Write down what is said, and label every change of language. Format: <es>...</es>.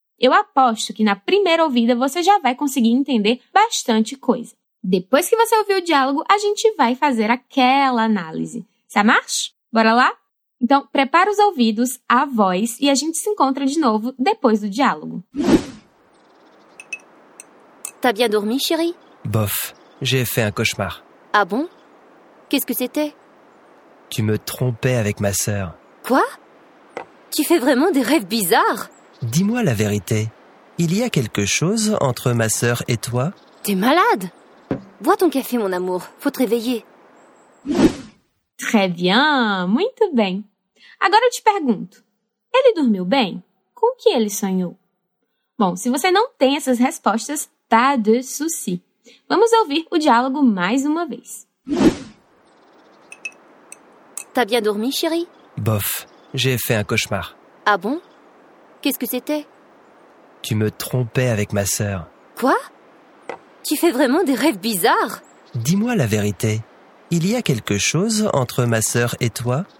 <pt>Eu aposto que na primeira ouvida você já vai conseguir entender bastante coisa. Depois que você ouvir o diálogo, a gente vai fazer aquela análise.</pt> <fr>Ça marche?</fr> <pt>Bora lá? Então, prepara os ouvidos, a voz e a gente se encontra de novo depois do diálogo.</pt> <fr>T'as bien dormi, chérie? Bof, j'ai fait un cauchemar. Ah bon? Qu'est-ce que c'était? Tu me trompais avec ma sœur. Quoi? Tu fais vraiment des rêves bizarres? Dis-moi la vérité. Il y a quelque chose entre ma sœur et toi? T'es malade! Bois ton café, mon amour. Faut te réveiller. Très bien,</fr> <pt>muito bem. Agora eu te pergunto, ele dormiu bem? Com o que ele sonhou? Bom, se você não tem essas respostas,</pt> <fr>pas de souci.</fr> <pt>Vamos ouvir o diálogo mais uma vez.</pt> <fr>T'as bien dormi, chérie? Bof, j'ai fait un cauchemar. Ah bon? Qu'est-ce que c'était? Tu me trompais avec ma sœur. Quoi? Tu fais vraiment des rêves bizarres? Dis-moi la vérité. Il y a quelque chose entre ma sœur et toi?</fr>